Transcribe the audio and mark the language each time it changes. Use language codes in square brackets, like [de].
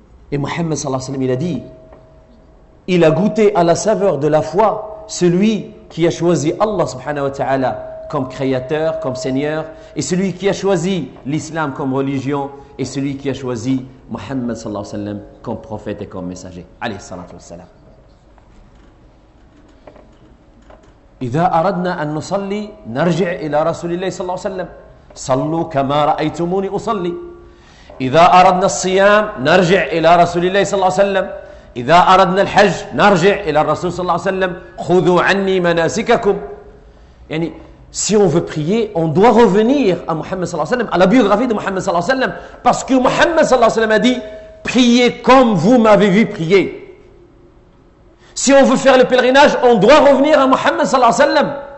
[fr] Et Mohammed sallallahu alayhi wa sallam, il a dit, il a goûté à la saveur de la foi celui qui a choisi Allah subhanahu wa ta'ala comme créateur, comme seigneur, et celui qui a choisi l'islam comme religion, et celui qui a choisi Mohammed sallallahu alayhi wa sallam comme prophète et comme messager. [ar] Alayhi salatu wa sallam. إذا أردنا أن نصلي نرجع إلى رسول الله صلى الله عليه وسلم صلوا كما رأيتموني أصلي إذا أردنا الصيام نرجع إلى رسول الله صلى الله عليه وسلم إذا أردنا الحج نرجع إلى الرسول صلى الله عليه وسلم خذوا عني مناسككم. [fr] يعني si on veut prier on doit revenir à محمد صلى الله عليه وسلم, à la biographie de محمد صلى الله عليه وسلم, parce que محمد صلى الله عليه وسلم a dit priez comme vous m'avez vu prier. Si on veut faire le pèlerinage, on doit revenir à Mohammed sallallahu alayhi wa sallam.